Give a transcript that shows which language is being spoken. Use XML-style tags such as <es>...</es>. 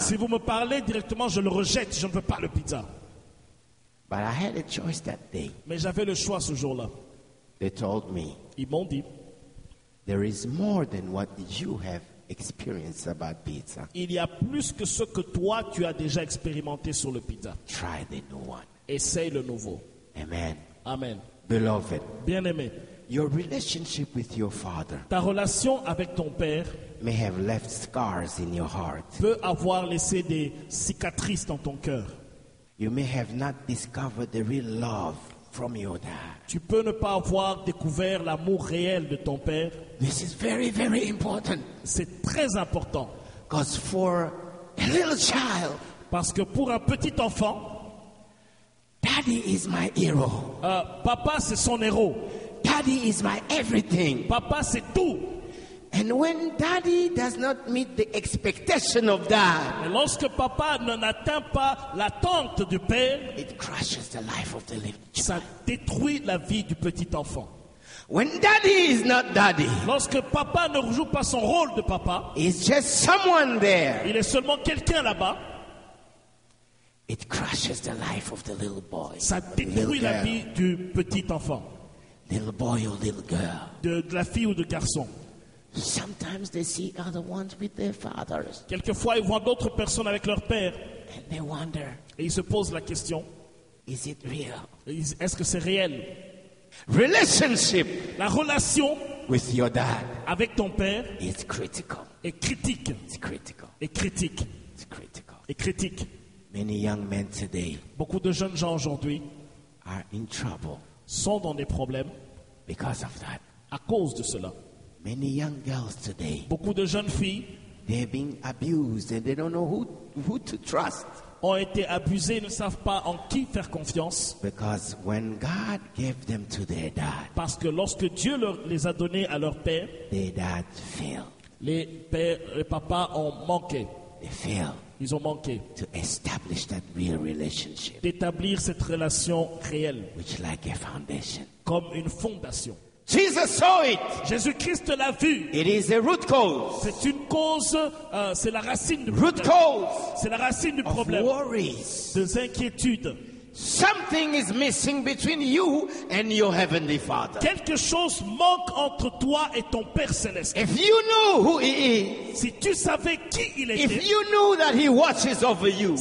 <fr>Si vous me parlez directement, je le rejette, je ne veux pas le pizza.</fr> <en>But I had a choice that day.</en> <fr>Mais j'avais le choix ce jour-là.</fr> <en>They told me.</en> <fr>Ils m'ont dit.</fr> <en>There is more than what you have experienced about pizza.</en> <fr>Il y a plus que ce que toi tu as déjà expérimenté sur le pizza.</fr> <en>Try the new one.</en> <fr>Essaye le nouveau.</fr> <en>Amen.</en> <fr>Amen.</fr> <en>Beloved.</en> <fr>Bien-aimé.</fr> <en>Your relationship with your father.</en> <fr>Ta relation avec ton père.</fr> <en>May have left scars in your heart.</en> <fr>Peut avoir laissé des cicatrices dans ton cœur.</fr> <en>You may have not discovered the real love. From your dad.</en> <fr>Tu peux ne pas avoir découvert l'amour réel de ton père.</fr> <en>This is very, very important.</en> <fr>C'est très important.</fr> <en>Because for a little child,</en> <fr>parce que pour un petit enfant,</fr> <en>daddy is my hero.</en> <fr>Papa c'est son héros.</fr> <en>Daddy is my everything.</en> <fr>Papa c'est tout.</fr> <en>And when daddy does not meet the expectation of dad,</en> <fr>et lorsque papa n'atteint pas l'attente du père,</fr> <en>it crushes the life of the little child.</en> <fr>Ça détruit la vie du petit enfant.</fr> <en>When daddy is not daddy,</en> <fr>lorsque papa ne joue pas son rôle de papa,</fr> <en>it's just someone there.</en> <fr>Il est seulement quelqu'un là-bas.</fr> <en>It crushes the life of the little boy.</en> <fr>Ça détruit la vie du petit enfant.</fr> <en>Little boy or little girl.</en> <fr>De la fille ou de garçon.</fr> <en>Sometimes they see other ones with their fathers.</en> <fr>Quelquefois ils voient d'autres personnes avec leur père.</fr> <en>And they wonder.</en> <fr>Et ils se posent la question.</fr> <en>Is it real?</en> <fr>Est-ce que c'est réel?</fr> <en>Relationship.</en> <fr>La relation</fr> <en>with your dad.</en> <fr>Avec ton père.</fr> <en>Is critical.</en> <fr>Est critique.</fr> <en>It's critical.</en> <fr>Est critique.</fr> <en>It's critical.</en> <fr>Est critique.</fr> <en>Many young men today.</en> <fr>Beaucoup de jeunes gens aujourd'hui</fr> <en>are in trouble.</en> <fr>Sont dans des problèmes.</fr> <en>Because of that.</en> <fr>À cause de cela.</fr> <en>Many young girls today.</en> <fr>Beaucoup de jeunes filles.</fr> <en>They're being abused and they don't know who to trust.</en> <fr>Ont été abusées, ne savent pas en qui faire confiance.</fr> <en>Because when God gave them to their dad.</en> <fr>Parce que lorsque Dieu les a donné à leur père.</fr> <en>Their dad failed.</en> <fr>Les pères et papas ont manqué.</fr> <en>They failed.</en> <fr>Ils ont manqué.</fr> <en>To establish that real relationship.</en> <fr>D'établir cette relation réelle.</fr> <en>Which like a foundation.</en> <fr>Comme une fondation.</fr> <en>Jesus saw it.</en> <fr>Jésus-Christ l'a vu.</fr> <en>It is a root cause.</en> <fr>C'est une cause, c'est la racine du</fr> <en>root</en> <fr>problème.</fr> <en>Cause.</en> <fr>C'est la racine du</fr> <en>of</en> <fr>problème.</fr> <en>Worries.</en> <fr>Des inquiétudes.</fr> <en>Something is missing between you and your heavenly father.</en> <fr>Quelque chose manque entre toi et ton Père céleste.</fr> <en>If you knew who he is.</en> <fr>Si tu savais qui il était.</fr> <en>If you knew that he watches over you.</en>